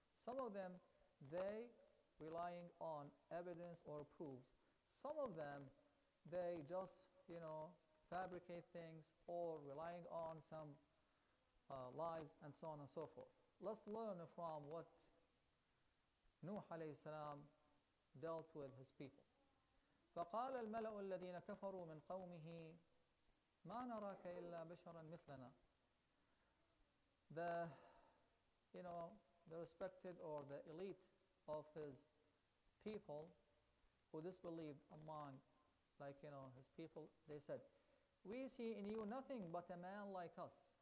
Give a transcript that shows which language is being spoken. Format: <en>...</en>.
<en>Some of them, they relying on evidence or proofs. Some of them, they just, you know, fabricate things or relying on some lies and so on and so forth. Let's learn from what Nuh alayhi salam dealt with his people.</en> <ar>فقال الملأ الذين كفروا من قومه ما نراك إلا بشرا مثلنا.</ar> <en>The, you know, the respected or the elite of his people who disbelieved among, like, you know, his people, they said, we see in you nothing but a man like us.</en>